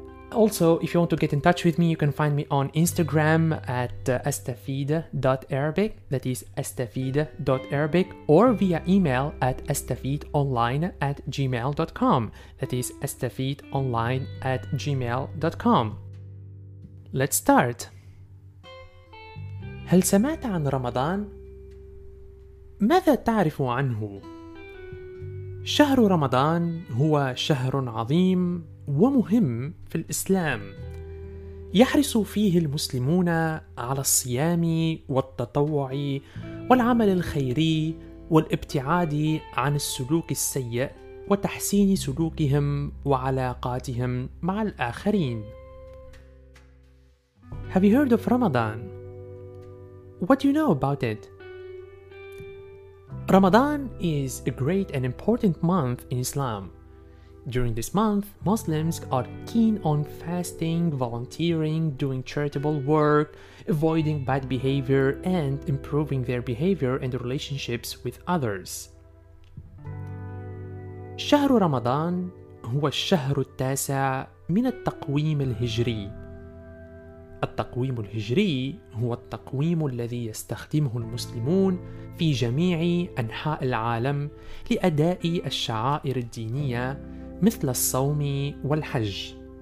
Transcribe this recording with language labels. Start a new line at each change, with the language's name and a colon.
English: Also, if you want to get in touch with me, you can find me on Instagram at estafida.arabic, that is estafida.arabic, or via email at estafidonline@gmail.com, that is estafidonline@gmail.com. Let's start.
Arabic: هل سمعت عن رمضان؟ ماذا تعرف عنه؟ شهر رمضان هو شهر عظيم ومهم في الإسلام، يحرص فيه المسلمون على الصيام والتطوع والعمل الخيري والابتعاد عن السلوك السيء وتحسين سلوكهم وعلاقاتهم مع الآخرين.
English: Have you heard of Ramadan? What do you know about it? Ramadan is a great and important month in Islam. During this month, Muslims are keen on fasting, volunteering, doing charitable work, avoiding bad behavior, and improving their behavior and relationships with others.
Arabic: شهر رمضان هو الشهر التاسع من التقويم الهجري. التقويم الهجري هو التقويم الذي يستخدمه المسلمون في جميع أنحاء العالم لأداء الشعائر الدينية مثل الصوم والحج.